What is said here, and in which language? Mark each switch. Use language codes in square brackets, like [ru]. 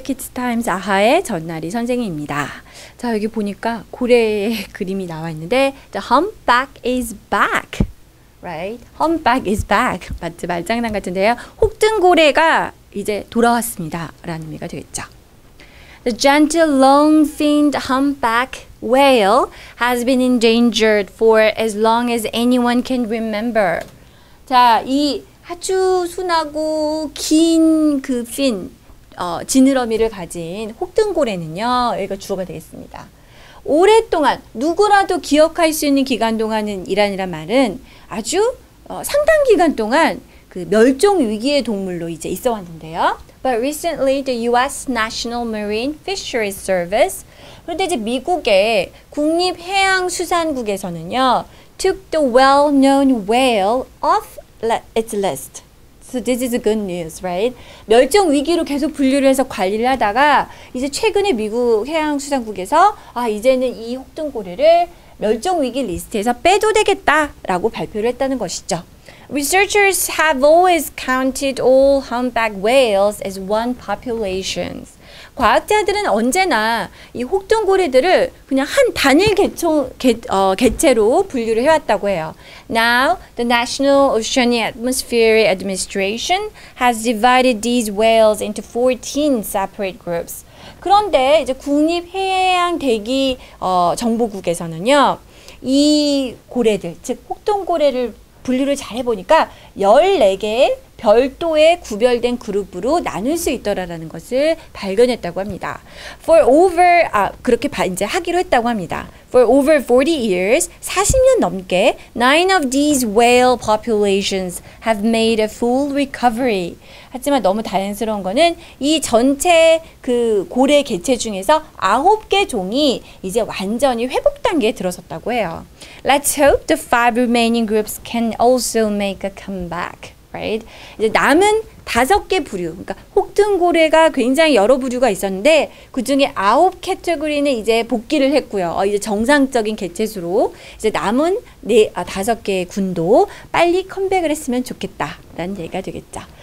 [ko] 키즈타임즈 아하의 전나리 선생님입니다. 자, 여기 보니까 고래의 그림이 나와 있는데 [en] the humpback is back. Right? Humpback is back. [ko] 맞죠? 말장난 같은데요. 혹등고래가 이제 돌아왔습니다. 라는 의미가 되겠죠. [en] The gentle long-finned humpback whale has been endangered for as long as anyone can remember. [ko] 자, 이 아주 순하고 긴 그 핀, 지느러미를 가진 혹등고래는요, 여기가 주어가 되겠습니다. 오랫동안, 누구라도 기억할 수 있는 기간 동안은 이란이란 말은 아주 상당 기간 동안 그 멸종 위기의 동물로 이제 있어 왔는데요. [en] But recently, the U.S. National Marine Fisheries Service, [ko] 그런데 이제 미국의 국립해양수산국에서는요, [en] took the well-known whale off its list. So this is good news, right? [ko] 멸종 위기로 계속 분류를 해서 관리를 하다가 이제 최근에 미국 해양수산국에서 아 이제는 이 혹등고래를 멸종 위기 리스트에서 빼도 되겠다라고 발표를 했다는 것이죠. [en] Researchers have always counted all humpback whales as one population. [ko] 과학자들은 언제나 이 혹등고래들을 그냥 한 단일 개체로 분류를 해왔다고 해요. [en] Now, the National Oceanic Atmospheric Administration has divided these whales into 14 separate groups. [ko] 그런데 이제 국립해양대기 정보국에서는요, 이 고래들, 즉 혹등고래를 분류를 잘 해보니까 14개의 별도의 구별된 그룹으로 나눌 수 있더라라는 것을 발견했다고 합니다. [en] For over 40 years, [ko] 40년 넘게, [en] 9 of these whale populations have made a full recovery. [ko] 하지만 너무 다행스러운 거는 이 전체 그 고래 개체 중에서 9개 종이 이제 완전히 회복 단계에 들어섰다고 해요. [en] Let's hope the 5 remaining groups can also make a comeback. Right? [ko] 이제 남은 5개 부류, 그러니까 혹등고래가 굉장히 여러 부류가 있었는데 그 중에 9 캐테고리는 이제 복귀를 했고요. 이제 정상적인 개체수로 이제 남은 5개의 군도 빨리 컴백을 했으면 좋겠다라는 얘기가 되겠죠.